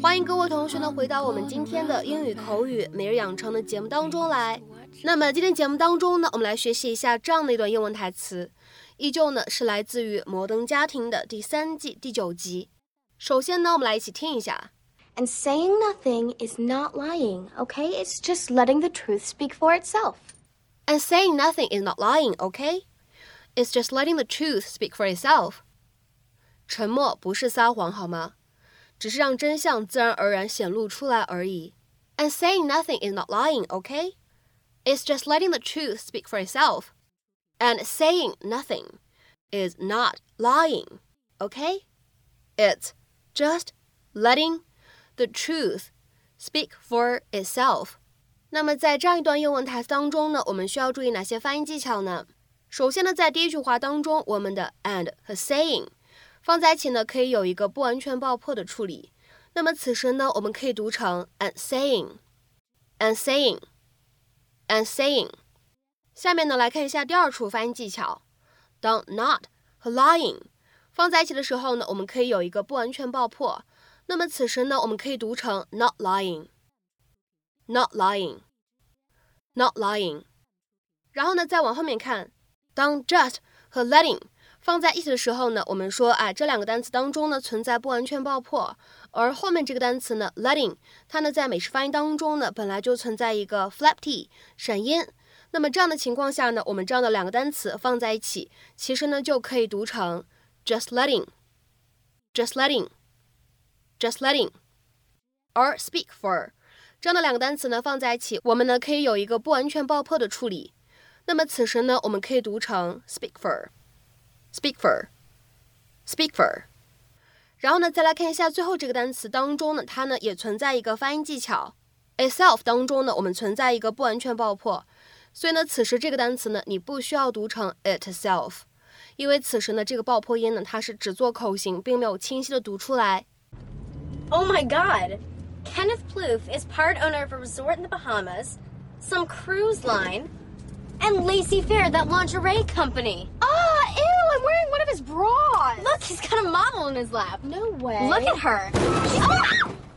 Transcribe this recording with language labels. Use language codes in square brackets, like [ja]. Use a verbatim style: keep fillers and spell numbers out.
[zh] 欢迎各位同学呢回到我们今天的英语口语每日养成的节目当中来。那么今天节目当中呢，我们来学习一下这样的一段英文台词，依旧呢是来自于《摩登家庭》的第三季第九集。首先呢，我们来一起听一下。 [en] And saying nothing is not lying, okay? It's just letting the truth speak for itself. And saying nothing is not lying, okay? It's just letting the truth speak for itself. [zh] 沉默不是撒谎好吗？只是让真相自然而然显露出来而已。 [en] And saying nothing is not lying, okay? It's just letting the truth speak for itself. And saying nothing is not lying, okay? It's just letting the truth speak for itself. [zh] 那么在这样一段英文台词当中呢，我们需要注意哪些发音技巧呢？首先呢，在第一句话当中，我们的 and 和 saying 放在一起呢，可以有一个不完全爆破的处理。那么此时呢，我们可以读成 [en] and saying, and saying, and saying。 [zh] 下面呢，来看一下第二处发音技巧。当 not 和 lying 放在一起的时候呢，我们可以有一个不完全爆破。那么此时呢，我们可以读成 [en] not lying, not lying, not lying。 [zh] 然后呢，再往后面看，当 just 和 letting 放在一起的时候呢，我们说啊，这两个单词当中呢存在不完全爆破，而后面这个单词呢 letting 它呢在美式发音当中呢本来就存在一个 flap t 闪音。那么这样的情况下呢，我们这样的两个单词放在一起，其实呢就可以读成 [en] just letting, just letting。 Just letting [zh] 而 [en] speak for [zh] 这样的两个单词呢放在一起，我们呢可以有一个不完全爆破的处理。那么此时呢，我们可以读成 [en] speak for, speak for, speak for。 [zh] 然后呢，再来看一下最后这个单词当中呢，它呢也存在一个发音技巧 itself 当中呢，我们存在一个不完全爆破，所以呢此时这个单词呢你不需要读成 itself， 因为此时呢这个爆破音呢它是只做口型，并没有清晰的读出来。 [en] Oh my God! Kenneth Plouffe is part owner of a resort in the Bahamas, some cruise line, and Lacey Fair, that lingerie company. Ah, ew! I'm wearing one of his bras. Look, he's got a model in his lap. No way. Look at her. Ah!